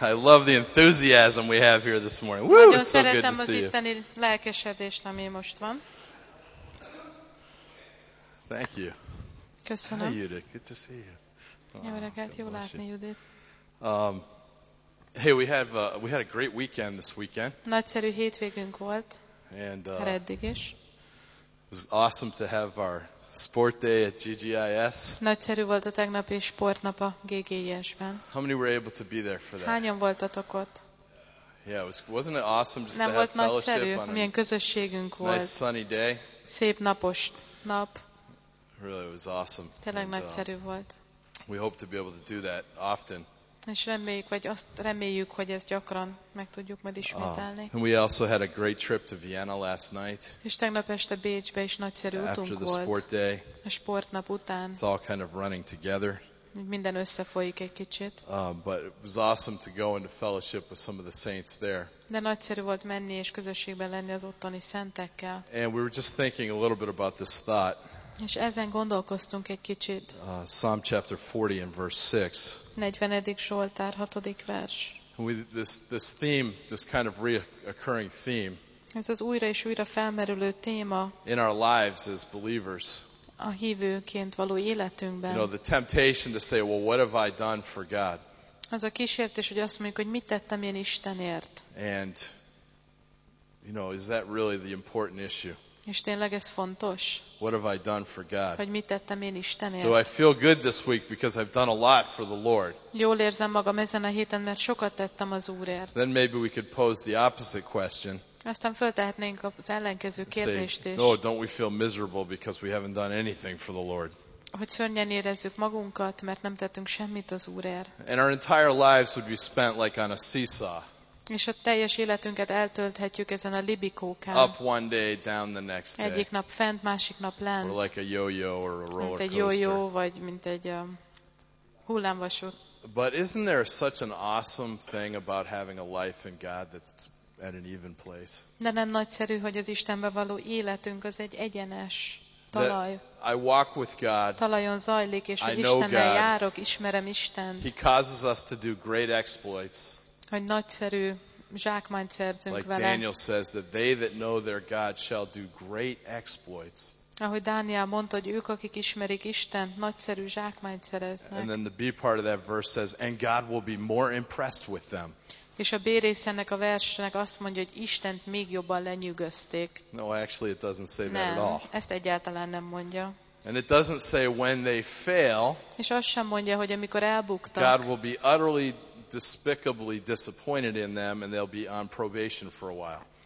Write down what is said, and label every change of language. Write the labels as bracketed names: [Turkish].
[English] I love the enthusiasm we have here this morning. Woo, [Hungarian] nagyon [English] it's so good to see you. [Hungarian] Az itteni lelkesedést, ami most van. [English] Thank you. [Hungarian] Köszönöm. [English] Hi, Judit. Good to see you. [Hungarian] Jó reggelt, jó látni, Judit. [English] Hey, we had a great weekend this weekend. [Hungarian] Nagyszerű hétvégünk volt. [English] And [Hungarian] eddig is. [English] It was awesome to have our sport day at GGIS. [Hungarian] Nagyszerű volt a tegnapi sportnap a GGIS-ben. [English] How many were able to be there for that? [Hungarian] Hányan voltatok ott? [English] Yeah, wasn't it awesome just [Hungarian] Nem [English] to have [Hungarian] nagyszerű, [English] fellowship on [Hungarian] milyen közösségünk [English] a nice [Hungarian] volt. [English] Sunny day? [Hungarian] Szép napos nap. [English] Really, it was awesome. [Hungarian] Tényleg nagyszerű volt. [English] We hope to be able to do that often. [Hungarian] És reméljük, vagy azt reméljük, hogy ezt gyakran meg tudjuk majd ismételni. [English] And we also had a great trip to Vienna last night. [Hungarian] És tegnap este Bécsbe is nagyszerű utunk volt. [English] After the sport day. [Hungarian] A sportnap után. [English] It's all kind of running together. [Hungarian] Minden összefolyik egy kicsit. [English] But it was awesome to go into fellowship with some of the saints there. [Hungarian] De nagyszerű volt menni és közösségben lenni az ottani szentekkel. [English] And we were just thinking a little bit about this thought. [Hungarian] És ezen gondolkoztunk egy kicsit. [English] Psalm chapter 40 and verse 6. [Hungarian] 40. Zsoltár 6. vers. [English] This theme, this kind of reoccurring theme. [Hungarian] Ez az újra és újra felmerülő téma. [English] In our lives as believers. [Hungarian] A hívőként való életünkben. [English] You know, the temptation to say, well, what have I done for God? [Hungarian] Az a kísértés, hogy azt mondjuk, hogy mit tettem én Istenért. [English] And you know, is that really the important issue? [Hungarian] És tényleg ez fontos. [English] What have I done for God? [Hungarian] Hogy mit tettem én Istenért? [English] Do I feel good this week because I've done a lot for the Lord? [Hungarian] Jól érzem magam ezen a héten, mert sokat tettem az Úrért. [English] Then maybe we could pose the opposite question. [Hungarian] Aztán föltehetnénk az ellenkező kérdést is. [English] No, don't we feel miserable because we haven't done anything for the Lord? [Hungarian] Hogy szörnyen érezzük magunkat, mert nem tettünk semmit az Úrért. [English] And our entire lives would be spent like on a seesaw. [Hungarian] És a teljes életünket eltölthetjük ezen a libikókán. [English] Up one day, down the next day. [Hungarian] Egyik nap fent, másik nap lent. [English] Or like a yo-yo or a roller coaster. [Hungarian] Mint egy yo-yo, vagy mint egy hullámvasút. [English] But isn't there such an awesome thing about having a life in God that's at an even place? [Hungarian] De nem nagyszerű, hogy az Istenbe való életünk az egy egyenes talaj. [English] I walk with God. [Hungarian] Talajon zajlik, és hogy Istennel járok, ismerem Istent. [English] He causes us to do great exploits. [Hungarian] Hogy nagyszerű zsákmányt szerzünk [English] like [Hungarian] vele. [English] Daniel says that they that know their God shall do great exploits. [Hungarian] Ahogy Dániel mondta, hogy ők, akik ismerik Istent, nagyszerű zsákmányt szereznek. [English] And then the B part of that verse says, and God will be more impressed with them. [Hungarian] És a B részének a versnek azt mondja, hogy Istent még jobban lenyűgözték. [English] No, actually it doesn't say [Hungarian] nem, [English] that at all. [Hungarian] Ezt egyáltalán nem mondja. [English] And it doesn't say when they fail. [Hungarian] És azt sem mondja, hogy amikor elbuktak. [English] God will be utterly despicably disappointed in them and they'll be on probation for a while.